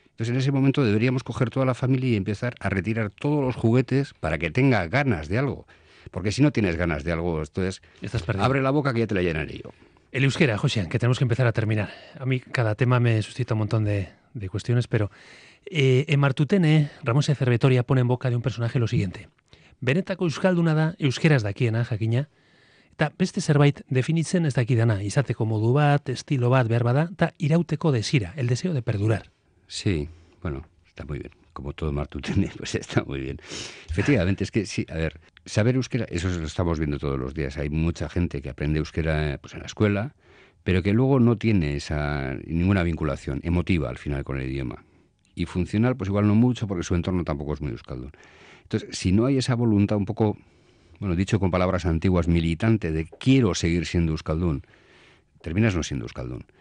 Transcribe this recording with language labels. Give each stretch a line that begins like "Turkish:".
Spanish: Entonces, en ese momento deberíamos coger toda la familia y empezar a retirar todos los juguetes para que tenga ganas de algo. Porque si no tienes ganas de algo, entonces estás perdido. Abre la boca que ya te la llenaré yo. El euskera, José, que tenemos que empezar a terminar. A mí cada tema me suscita un montón de cuestiones, pero en Martutene, Ramón Sáenz de Betoria pone en boca de un personaje lo siguiente.
Basque: Benetako euskalduna da, euskeraz dakiena, jakina, eta beste zerbait definitzen ez dakidana, izateko modu bat, estilo bat, behar bada, eta irauteko desira,
Spanish: el deseo de perdurar. Sí, bueno, está muy bien. Como todo Martutene, pues está muy bien. Efectivamente, es que sí, a ver, saber euskera, eso lo estamos viendo todos los días. Hay mucha gente que aprende euskera pues, en la escuela, pero que luego no tiene esa ninguna vinculación emotiva al final con el idioma. Y funcional, pues igual no mucho, porque su entorno tampoco es muy euskaldón. Entonces, si no hay esa voluntad un poco, bueno, dicho con palabras antiguas, militante, de quiero seguir siendo euskaldón, terminas no siendo euskaldón.